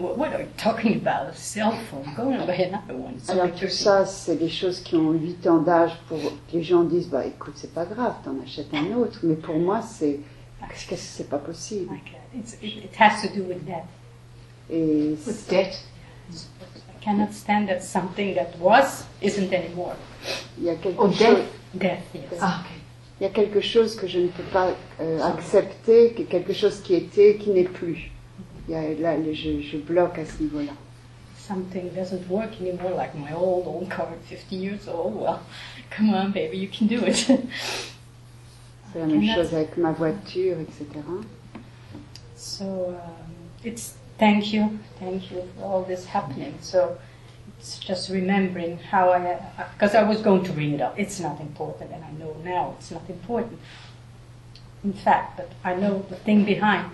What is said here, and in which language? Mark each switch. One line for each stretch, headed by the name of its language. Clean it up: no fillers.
English: What are you talking about? A cell phone. Go and buy another one.
French: So alors tout ça, c'est des choses qui ont 8 ans d'âge pour que les gens disent, bah écoute, c'est pas grave, t'en achètes un autre. Mais pour moi, c'est pas possible.
English: Like, it has to do with debt. With debt. I cannot stand that something that was isn't anymore.
French: Il y a quelque
English: death, yes. Ah, okay.
French: Il y a quelque chose que je ne peux pas accepter, quelque chose qui était, qui n'est plus. Il y a, là, je bloque à ce niveau-là.
English: Something doesn't work anymore, like my old car, 50 years old. Well, come on, baby, you can do it.
French: C'est la même chose avec ma voiture, etc.
English: So, it's thank you for all this happening. So. It's just remembering how I, because I was going to bring it up. It's not important, and I know now it's not important. In fact, but I know the thing behind.